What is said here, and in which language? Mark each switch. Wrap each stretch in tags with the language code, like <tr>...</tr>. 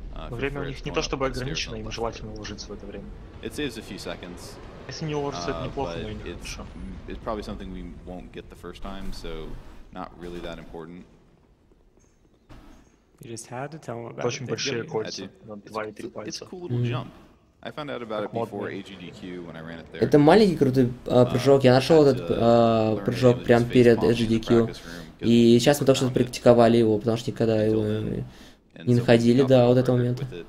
<ru>Время у них не то чтобы ограничено, им желательно уложиться в это время. Если не уложится, это неплохо, но и не хорошо.</ru> <en>It's probably something we won't get the first time, so not really that important. You just had to tell them about it.</en> <ru>Очень большие кольца, на 2 и 3 пальца.</ru> <en>It's a cool little jump. I found out about it before AGDQ when I ran it there.</en> <ru>Это маленький крутой прыжок. Я нашел этот прыжок прямо перед AGDQ. И сейчас мы только что практиковали его, потому что никогда его не находили до вот этого момента.</ru>